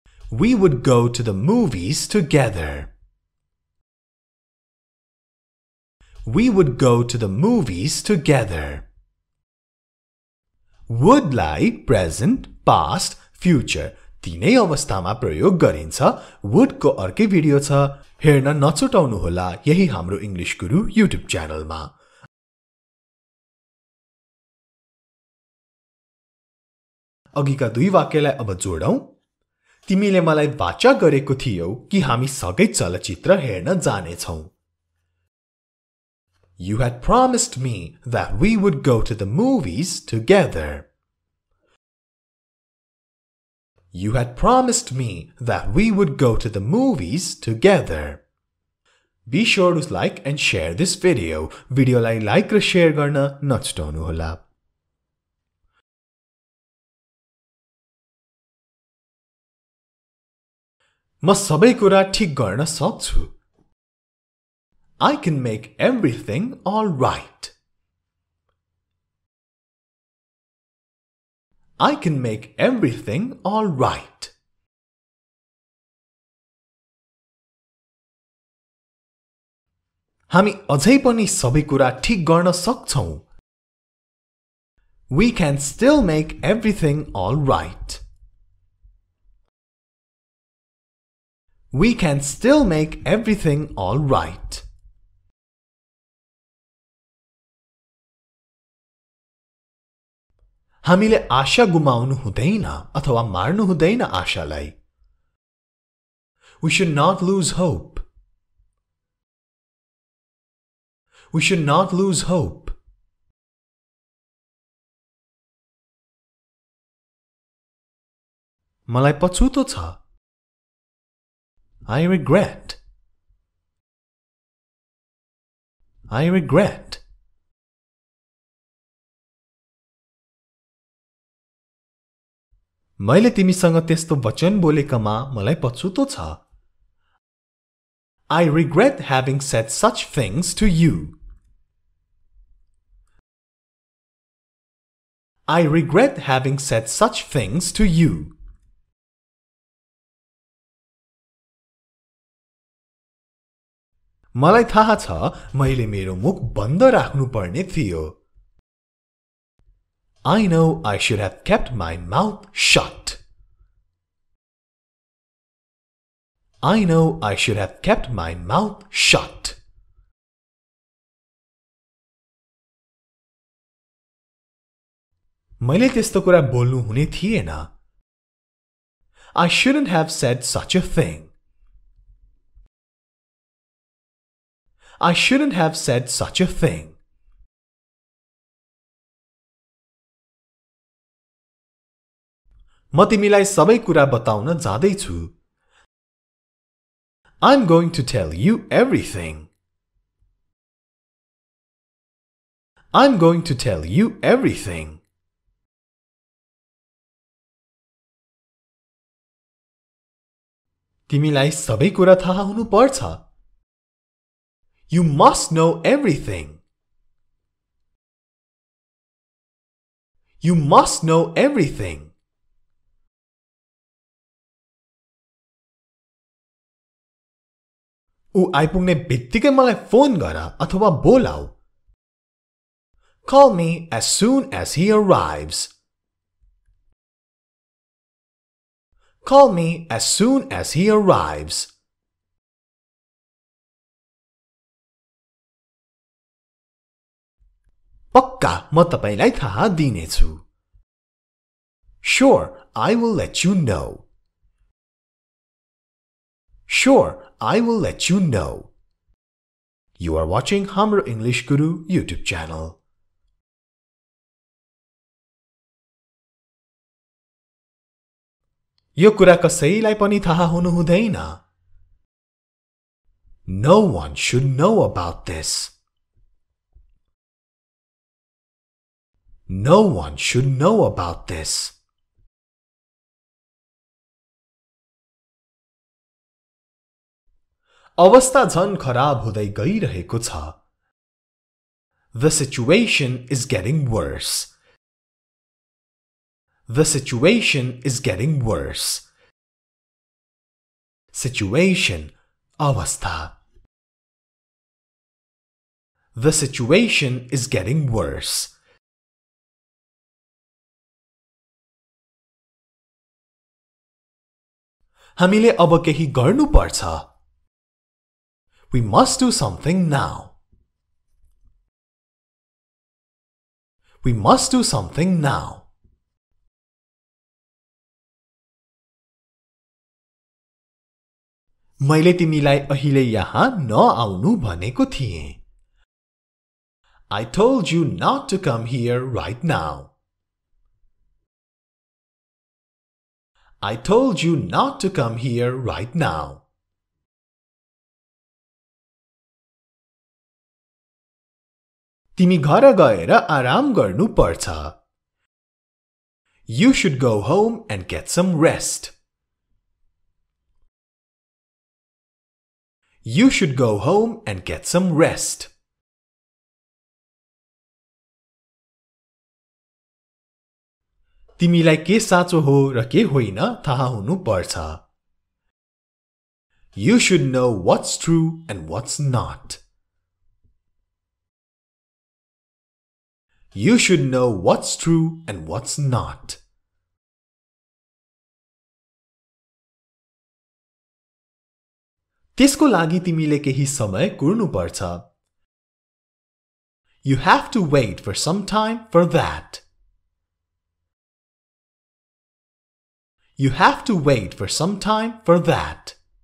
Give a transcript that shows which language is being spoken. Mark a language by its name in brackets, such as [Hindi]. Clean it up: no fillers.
[English] We would go to the movies together. We would go to the movies together. [Nepali] Would-लाई [English] present, past, future [Nepali] तीनै अवस्थामा प्रयोग गरिन्छ। Would-को अर्कै video छ, हेर्न नछुटाउनुहोला यही हाम्रो इङ्ग्लिस गुरु युट्युब च्यानलमा। अघिका दुई वाक्यलाई अब जोडौं। तिमीले मलाई वाचा गरेको थियौ कि हामी सँगै चलचित्र हेर्न जानेछौ। [English] You had promised me that we would go to the movies together. You had promised me that we would go to the movies together. Be sure to like and share this video. [Nepali] भिडियोलाई like र share गर्न नछुटाउनु होला। म सबै कुरा ठिक गर्न सक्छु। [English] I can make everything all right. I can make everything all right. [Nepali] हामी अझै पनि सबै कुरा ठिक गर्न सक्छौँ। [English] We can still make everything all right. We can still make everything all right. [Nepali] हामीले आशा गुमाउनु हुँदैन अथवा मार्नु हुँदैन आशालाई। [English] We should not lose hope. We should not lose hope. [Nepali] मलाई पछुतो छ। [English] I regret. I regret. [Nepali] मैले तिमीसँग त्यस्तो वचन बोलेकोमा मलाई पछुतो छ। [English] I regret having said such things to you. I regret having said such things to you. [Nepali] मलाई थाहा छ, मैले मेरो मुख बन्द राख्नु पर्ने थियो। [English] I know I should have kept my mouth shut. I know I should have kept my mouth shut. [Nepali] मैले त्यस्तो कुरा बोल्नु हुने थिएन। [English] I shouldn't have said such a thing. I shouldn't have said such a thing. [Nepali] म तिमीलाई सबै कुरा बताउन जाँदै छु। [English] I'm going to tell you everything. I'm going to tell you everything. [Nepali] तिमीलाई सबै कुरा थाहा हुनु पर्छ। [English] You must know everything. You must know everything. [Nepali] ऊ आइपुग्ने बित्तिकै मलाई फोन गर अथवा बोलाऊ। [English] Call me as soon as he arrives. Call me as soon as he arrives. [Nepali] पक्का म तपाईलाई थाहा दिनेछु। [English] Sure, I will let you know. Sure, I will let you know. You are watching Hamro English Guru YouTube channel. [Nepali] यो कुरा कसैलाई पनि थाहा हुनु हुँदैन। [English] No one should know about this. No one should know about this. [Nepali] अवस्था झन् खराब हुँदै गइरहेको छ। [English] The situation is getting worse. The situation is getting worse. Situation, [Nepali] अवस्था. [English] The situation is getting worse. [Nepali] हामीले अब केही गर्नु पर्छ. [English] We must do something now. We must do something now. [Nepali] मैले तिमीलाई अहिले यहाँ नआउनु भनेको थिएँ। [English] I told you not to come here right now. I told you not to come here right now. [Nepali] तिमी घर गएर आराम गर्नु पर्छ। [English] You should go home and get some rest. You should go home and get some rest. [Nepali] तिमीलाई के साँचो हो र के होइन थाहा हुनु पर्छ। [English] You should know what's true and what's not. You should know what's true and what's not. [Nepali] त्यसको लागि तिमीले केही समय कुर्नु पर्छ। [English] You have to wait for some time for that. You have to wait for some time for that.